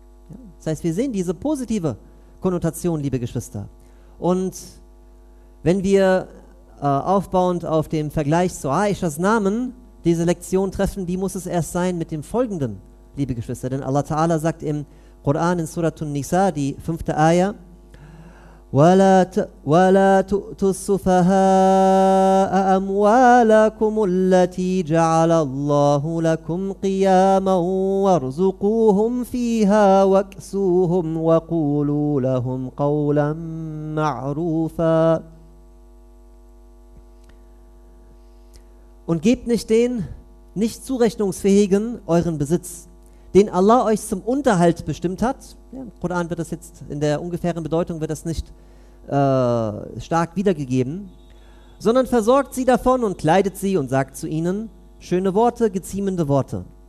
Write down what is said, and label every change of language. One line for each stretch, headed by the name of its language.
German: Ja, das heißt, wir sehen diese positive Konnotation, liebe Geschwister. Und wenn wir aufbauend auf dem Vergleich zu Aishas Namen diese Lektion treffen, wie muss es erst sein mit dem folgenden, liebe Geschwister? Denn Allah Ta'ala sagt im Koran, in Surat An-Nisa, die 5. Aya:
Arabic: ولا تؤتوا السفهاء أموالكم التي جعل الله لكم قياما وارزقوهم فيها واكسوهم وقولوا لهم قولا معروفا.
German: Und gebt nicht den nicht zurechnungsfähigen euren Besitz, den Allah euch zum Unterhalt bestimmt hat. Ja, im Koran wird das jetzt in der ungefähren Bedeutung wird das nicht stark wiedergegeben, sondern versorgt sie davon und kleidet sie und sagt zu ihnen schöne Worte, geziemende Worte.